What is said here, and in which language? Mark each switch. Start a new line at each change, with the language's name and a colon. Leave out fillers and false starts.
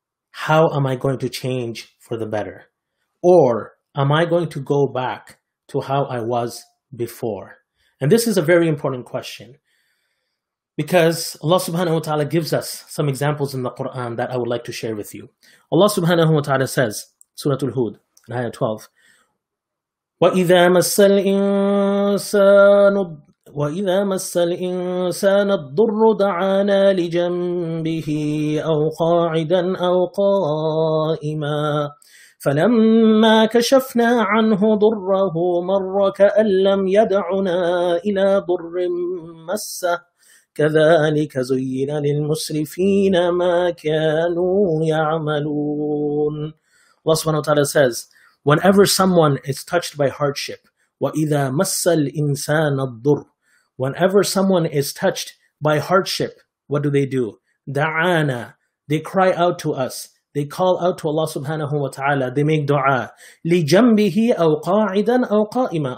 English: How am I going to change for the better? Or am I going to go back to how I was before? And this is a very important question, because Allah subhanahu wa ta'ala gives us some examples in the Quran that I would like to share with you. Allah subhanahu wa ta'ala says, Surah Al-Hud, Ayah 12,
Arabic: وَإِذَا مَسَّ الْإِنسَانُ وَإِذَا مَسَّ الْإِنسَانَ الضُّرُّ دَعَانَا لِجَنْبِهِ أَوْ قَاعِدًا أَوْ قَائِمًا فَلَمَّا كَشَفْنَا عَنْهُ ضُرَّهُ مَرَّ كَأَن لَّمْ يَدْعُنَا إِلَى ضُرٍّ مَّسَّهُ كَذَلِكَ زُيِّنَ لِلْمُسْرِفِينَ مَا كَانُوا يَعْمَلُونَ.
English: Allah subhanahu wa ta'ala says, whenever someone is touched by hardship,
Arabic: وَإِذَا مَسَّ الْإِنسَانَ الضُّرُّ,
English: whenever someone is touched by hardship, what do? دَعَانَا, they cry out to us. They call out to Allah subhanahu wa ta'ala. They make dua.
Arabic: لِجَنْبِهِ أَوْ قَاعِدًا أَوْ قَائِمًا.